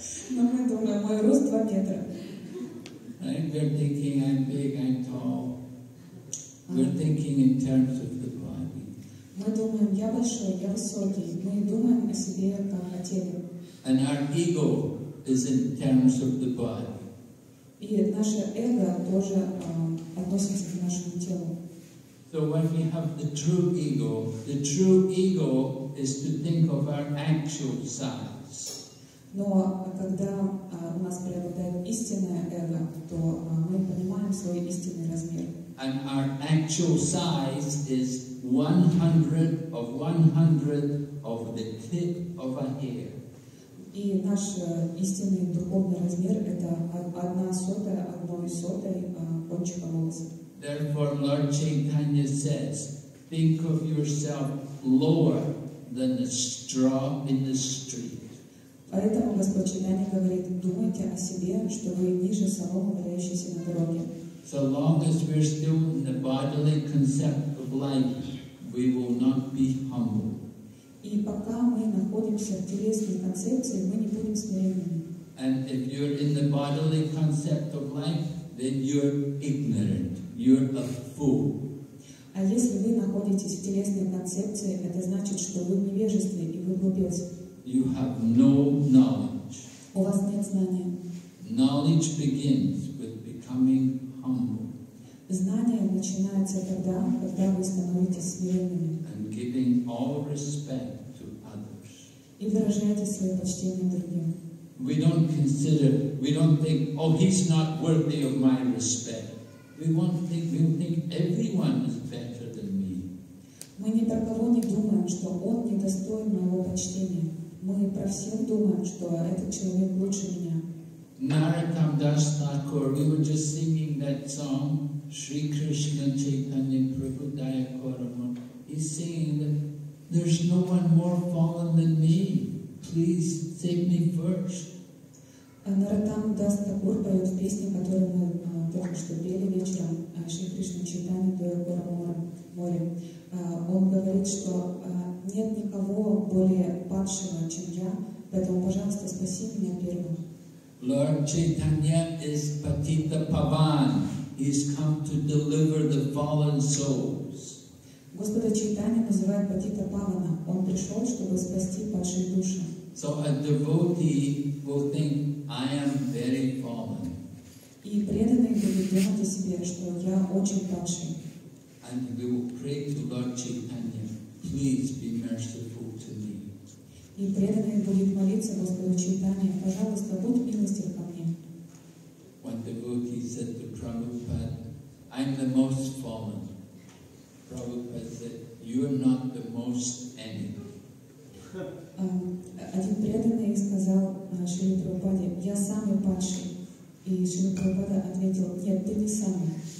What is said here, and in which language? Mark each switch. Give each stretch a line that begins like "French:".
Russian: Но мы думаем, мой рост 2 метра.
English: And we're thinking I'm big, I'm tall. We're thinking in terms of the body.
Russian: Мы думаем, я большой, я высокий. Мы думаем о себе по телу.
English: And our ego is in terms of the body.
Russian: И наше эго тоже относится к нашему телу.
English: So when we have the true ego is to think of our actual size.
Russian: Но когда у нас преобладает истинное эго, то мы понимаем свой истинный размер.
English: And our actual size is 1/100 of 1/100 of the tip of a hair.
Russian: И наш истинный духовный размер это
English: 1/100 of 1/100
Russian: кончика волоса.
English: Therefore, Lord Chaitanya says, think of yourself lower than a straw in the street.
Russian: Поэтому Господь Чайтанья говорит, думайте о себе, что вы ниже соломы, валяющейся на дороге.
English: So long as we're still in the bodily concept of life, we will not be humble.
Russian: И пока мы находимся в телесной концепции, мы не будем смиренными.
English: And if you're in the bodily concept of life, then you're ignorant. You're a fool.
Russian: А если вы находитесь в телесной концепции, это значит, что вы невежественны и вы глупец.
English: You have no knowledge.
Russian: У вас нет знания.
English: Knowledge begins with becoming humble.
Russian: Знание начинается тогда, когда вы становитесь верными.
English: And giving all respect to others.
Russian: И выражаете свое почтение другим.
English: We don't consider, we don't think, oh, he's not worthy of my respect. We think everyone is better than me.
Russian: Мы ни про кого не думаем, что он недостоин моего почтения. Мы про всех думаем, что этот человек лучше меня.
English: Narottam Das Thakur, we were just singing that song, Shri Krishna Chaitanya Prabhu Dayakaraman. He's singing that there's no one more fallen than me. Please take me first.
Russian: Narottam Das Thakur поет в песне, которую мы только что пели вечером, Шри Кришна Чайтанья Дайакарамана. Он говорит, что нет никого более падшего, чем я, поэтому, пожалуйста, спаси меня первым.
English: Lord Chaitanya is Patita Pavan. He has come to deliver the fallen souls.
Russian: Господа Чайтанья называют Патита Павана. Он пришел, чтобы спасти падшие души.
English: So a devotee will think, I am very fallen.
Russian: И преданный будет думать о себе, что я очень падший.
English: And we will pray to Lord Chaitanya, please be merciful to me.
Russian: И преданный будет молиться Господу Чайтанья, пожалуйста, будь милостив ко мне.
English: One devotee said to Prabhupada, I'm the most fallen. Prabhupada said, you are not the most any.
Russian: Один преданный сказал Шриле Прабхупаде, я самый падший. И Шриле Прабхупада ответил, нет, ты не самый.